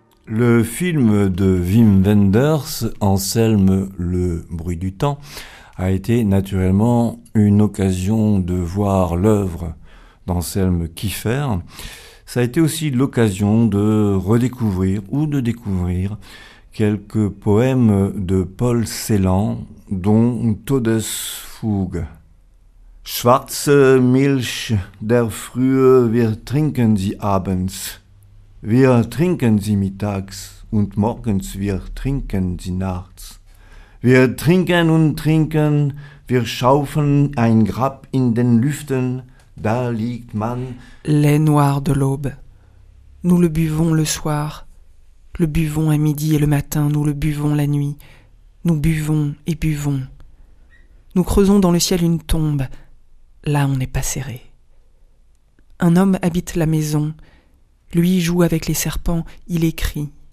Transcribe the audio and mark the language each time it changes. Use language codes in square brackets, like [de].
[fr] de Wim Wenders, Anselme, le bruit du temps, a été naturellement une occasion de voir l'œuvre d'Anselme Kiefer. Ça a été aussi l'occasion de redécouvrir ou de découvrir quelques poèmes de Paul Celan, dont Todesfuge. [de] Schwarze Milch, der Frühe, wir trinken sie abends. Wir trinken sie mittags. Und morgens wir trinken sie nachts. Wir trinken und trinken, wir schaufen ein Grab in den Lüften, da liegt man. [fr] Lait noir de l'aube. Nous le buvons le soir, le buvons à midi et le matin, nous le buvons la nuit, nous buvons et buvons. Nous creusons dans le ciel une tombe, là on n'est pas serré. Un homme habite la maison, lui joue avec les serpents, il écrit.